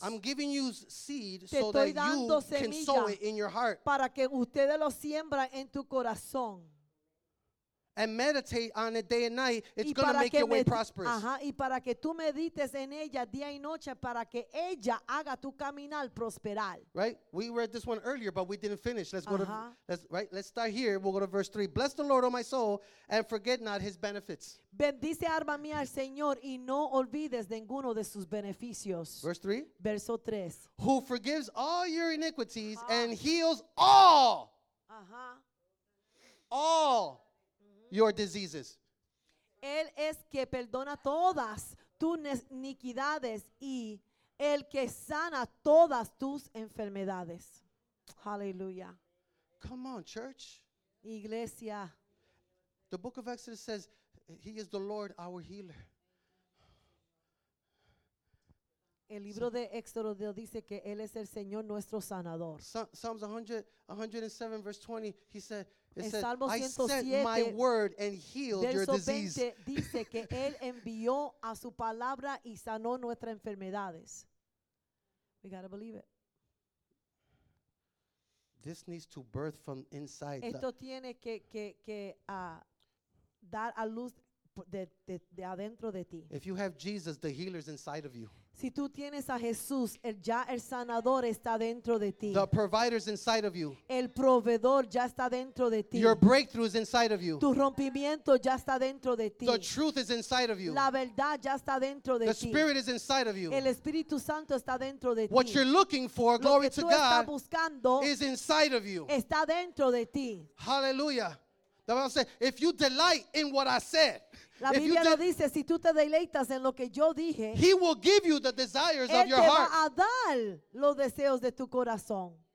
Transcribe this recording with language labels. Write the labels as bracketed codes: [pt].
[en] I'm giving you seed so that you can sow it in your heart. [es] Para que ustedes lo siembran en tu corazón. [en] and meditate on it day and night, it's going to make your way prosperous. [es] Ajá, y para que tú medites en ella día y noche, para que ella haga tu caminar prosperar. [en] Right? We read this one earlier, but we didn't finish. Let's go to, let's start here. We'll go to verse 3. Bless the Lord, O my soul, and forget not his benefits. [es] Bendice alma mía al Señor, y no olvides ninguno de sus beneficios. [en] Verse 3. [es] Verso 3. [en] Who forgives all your iniquities and heals all. All. Your diseases. [es] Él es que perdona todas tus iniquidades y el que sana todas tus enfermedades. [en] Hallelujah. Come on, church. [es] Iglesia. [en] The book of Exodus says, He is the Lord our healer. [es] El libro de Éxodo dice que Él es el Señor nuestro sanador. [en] Psalms 107, verse 20, he said, It says, I sent my word and healed your diseases. We gotta believe it. This needs to birth from inside. [es] Esto tiene que dar a luz de adentro de ti. [en] If you have Jesus, the healer's inside of you. [es] Si tú tienes a Jesús, ya el sanador está dentro de ti. [en] The provider's inside of you. [es] El proveedor ya está dentro de ti. [en] Your breakthrough is inside of you. [es] Tu rompimiento ya está dentro de ti. [en] The truth is inside of you. [es] La verdad ya está dentro de [en] the [es] ti. [en] The spirit is inside of you. [es] El Espíritu Santo está dentro de ti. [en] What you're looking for, glory to God, [es] buscando, [en] is inside of you. [es] Está dentro de ti. [en] Hallelujah. The Bible says, if you delight in what I said, [es] la Biblia lo dice, si tú te deleitas en lo que yo dije, [en] He will give you the desires of your heart. [es] Él te va a dar los deseos de tu corazón.